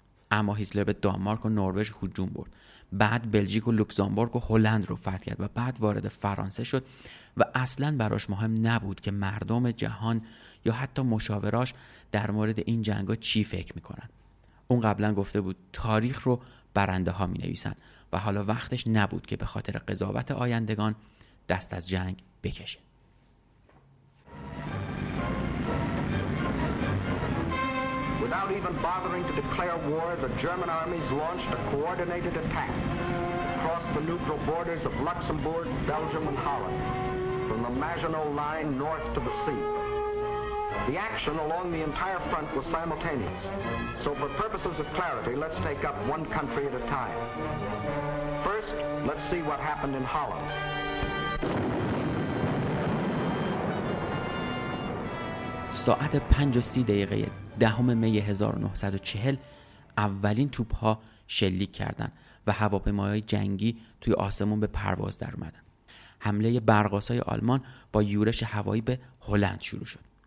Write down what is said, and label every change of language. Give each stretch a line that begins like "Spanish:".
Persian: اما هیتلر به دانمارک و نروژ هجوم برد. بعد بلژیک و لوکزامبورگ و هلند رو فتح کرد و بعد وارد فرانسه شد و اصلاً براش مهم نبود که مردم جهان یا حتی مشاوراش در مورد این جنگا چی فکر میکنن. اون قبلاً گفته بود تاریخ رو برنده ها مینویسن و حالا وقتش نبود که به خاطر قضاوت آیندگان دست از جنگ بکشه.
English: Without even bothering to declare war, the German armies launched a coordinated attack across the neutral borders of Luxembourg, Belgium, and Holland, from the Maginot Line north to the sea. The action along the entire front was simultaneous, so for purposes of clarity, let's take up one country at a time. First, let's see what happened in Holland.
Persian: ساعت 5:30 دهم می 1940 اولین توپ‌ها شلیک کردند و هواپیماهای جنگی توی آسمون به پرواز در اومدن. حمله برق‌آسای آلمان با یورش هوایی به هلند شروع شد.